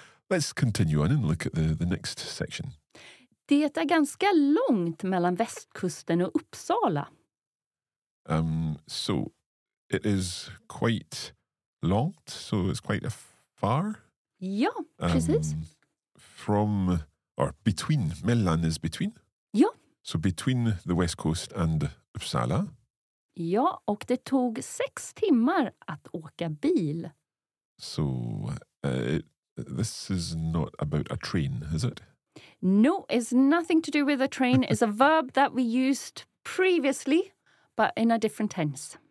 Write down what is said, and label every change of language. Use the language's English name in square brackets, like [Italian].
[English] Let's continue on and look at the next section. [Swedish] Det är ganska långt mellan västkusten och Uppsala. [English] So it is quite långt. So it's quite a far. [Swedish] Ja, precis. [English] From or between, mellan is between. [Swedish] Ja. [English] So between the west coast and Uppsala. [Swedish] Ja, och det tog 6 timmar att åka bil. [English] So this is not about a train, is it? No, it's nothing to do with a train. It's a verb that we used previously, but in a different tense.